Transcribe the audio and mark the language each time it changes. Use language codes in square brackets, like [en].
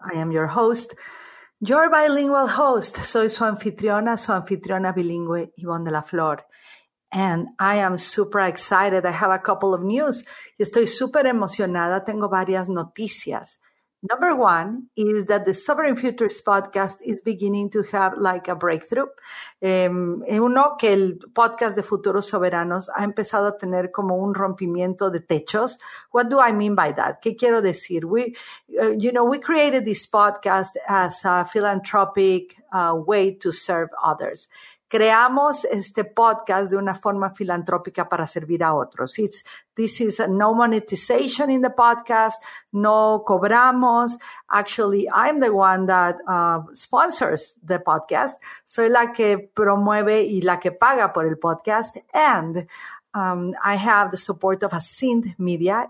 [en] I am your host, your bilingual host. [es] Soy su anfitriona bilingüe, Ivonne Delaflor. [en] And I am super excited. I have a couple of news. [es] Estoy super emocionada. Tengo varias noticias. [en] Number one is that the Sovereign Futures Podcast is beginning to have like a breakthrough. [es] Uno, que el podcast de Futuros Soberanos ha empezado a tener como un rompimiento de techos. [en] What do I mean by that? [es] ¿Qué quiero decir? [en] We created this podcast as a philanthropic way to serve others. [es] Creamos este podcast de una forma filantrópica para servir a otros. [en] This is no monetization in the podcast. [es] No cobramos. [en] Actually, I'm the one that sponsors the podcast. [es] Soy la que promueve y la que paga por el podcast. [en] And I have the support of Ascend Media.